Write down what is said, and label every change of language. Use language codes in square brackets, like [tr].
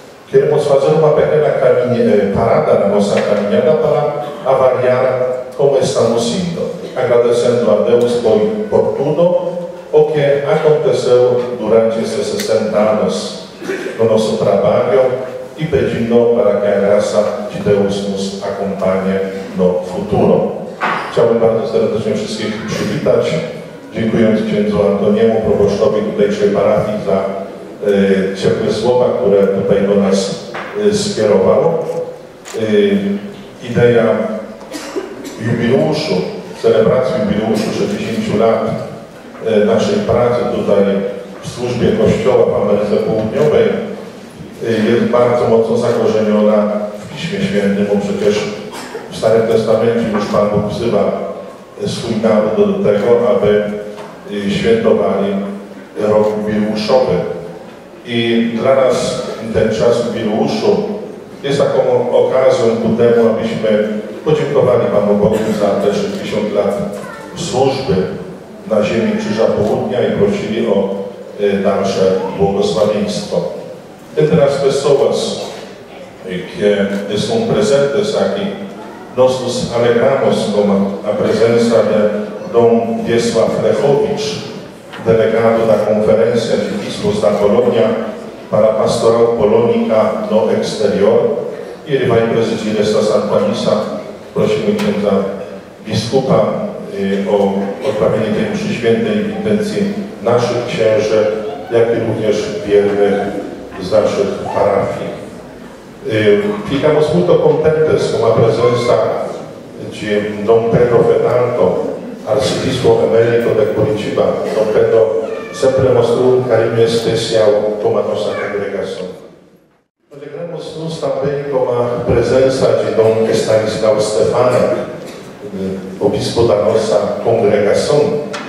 [pt] Queremos fazer uma pequena parada na nossa caminhada para avaliar como estamos indo, agradecendo a Deus por tudo o que aconteceu durante esses 60 anos no nosso trabalho e pedindo para que a graça de Deus nos acompanhe no futuro. [pl] Chciałbym bardzo serdecznie wszystkich przywitać. Dziękuję księdzu Antoniemu, proboszczowi tutejszej parafii za ciepłe słowa, które tutaj do nas skierowało. Ideja jubileuszu, celebracji jubileuszu 60 lat naszej pracy tutaj w służbie Kościoła w Ameryce Południowej jest bardzo mocno zakorzeniona w Piśmie Świętym, bo przecież w Starym Testamencie już Pan Bóg wzywa swój naród do tego, aby świętowali rok jubileuszowy. I dla nas ten czas jubileuszu jest taką okazją ku temu, abyśmy podziękowali Panu Bogu za te 60 lat służby na ziemi Krzyża Południa i prosili o dalsze błogosławieństwo. Ten teraz wesołas, jakie są prezenty saki. [pt] Nos nos alegramos com a presença de Dom Wiesław Lechowicz, delegado da Conferência de Bispos da Polônia para a Pastoral Polônica no Exterior. E ele vai presidir esta Santa Missa. [pl] Prosimy księdza biskupa o odprawienie tej mszy świętej w intencji naszych księży, jak i również wiernych z naszych parafii. [pt] Ficamos muito contentes com a presença de Dom Pedro Fernando, arcebispo emérito de Curitiba. Dom Pedro sempre mostrou carinho especial com a nossa congregação. Alegramos-nos também com a presença de Dom Estanislao Stefanek, o bispo da nossa congregação.